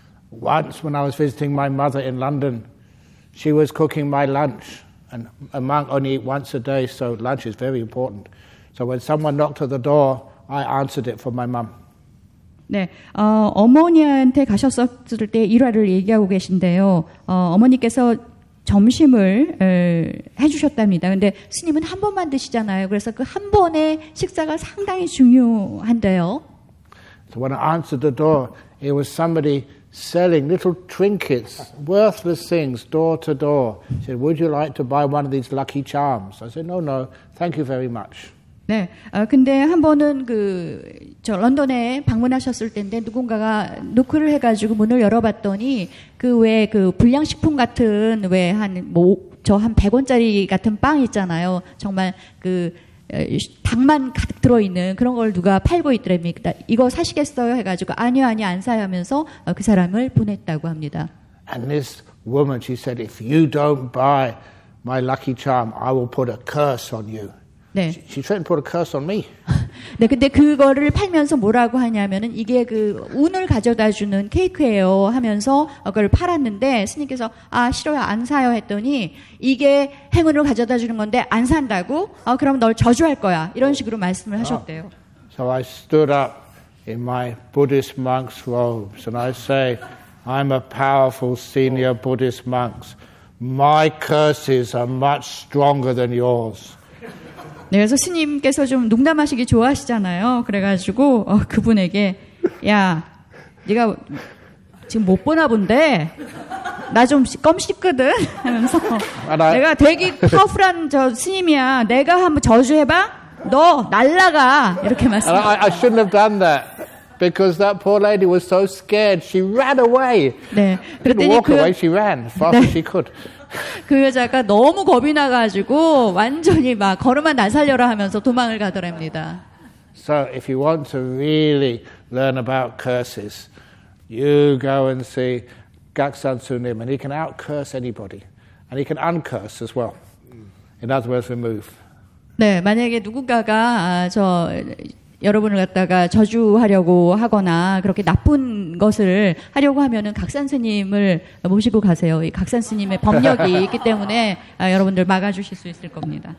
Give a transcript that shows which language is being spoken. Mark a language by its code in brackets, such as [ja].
[en] Once when I was visiting my mother in London, she was cooking my lunch and a monk only eat once a day, so lunch is very important. So when someone knocked at the door, I answered it for my mum. [ko] 네, 어머니한테 가셨었을 때 일화를 얘기하고 계신데요. 어머니께서 점심을 해주셨답니다. 그런데 스님은 한 번만 드시잖아요. 그래서 그 한 번의 식사가 상당히 중요한데요. [en] So when I answered the door, it was somebody selling little trinkets, worthless things, door to door. She said, "Would you like to buy one of these lucky charms?" I said, "No, no, thank you very much." [ko] 네, 근데 한 번은 그 저 런던에 방문하셨을 때인데 누군가가 노크를 해가지고 문을 열어봤더니 그 외에 그 불량식품 같은 외 한 뭐 저 한 100원짜리 같은 빵 있잖아요. 정말 그 당만 가득 들어있는 그런 걸 누가 팔고 있더랍니다. 이거 사시겠어요? 해가지고 아니요 아니요 안 사요 하면서 그 사람을 보냈다고 합니다. [en] And this woman, she said, if you don't buy my lucky charm, I will put a curse on you. [ko] 네. [en] She threatened to put a curse on me. [ko] 네, 근데 그거를 팔면서 뭐라고 하냐면은 이게 그 운을 가져다 주는 케이크예요 하면서 그걸 팔았는데 스님께서 아 싫어요 안 사요 했더니 이게 행운을 가져다 주는 건데 안 산다고 그럼 널 저주할 거야 이런 식으로 말씀을 하셨대요. [en] So I stood up in my Buddhist monk's robes and I say, I'm a powerful senior Buddhist monk. My curses are much stronger than yours. [ko] 네, 그래서 스님께서 좀 농담하시기 좋아하시잖아요. 그래가지고 그분에게 야, 네가 지금 못 보나 본데 나 좀 껌 씹거든 하면서 내가 되게 파워풀한 저 스님이야. 내가 한번 저주해봐. 너 날라가 이렇게 말씀하셨어요. [en] I shouldn't have done that because that poor lady was so scared. She ran away. [ko] 네, [en] walk away. She ran fast as she could. [ko] 그 여자가 너무 겁이 나가지고 완전히 막 걸음만 나살려라 하면서 도망을 가더랍니다. [en] So if you want to really learn about curses, you go and see Gaksan Sunim, and he can outcurse anybody, and he can uncurse as well. In other words, remove. [ko] 네, 만약에 누군가가 저 여러분을 갖다가 저주하려고 하거나 그렇게 나쁜 것을 하려고 하면은 각산 스님을 모시고 가세요. 이 각산 스님의 법력이 있기 때문에 여러분들 막아주실 수 있을 겁니다.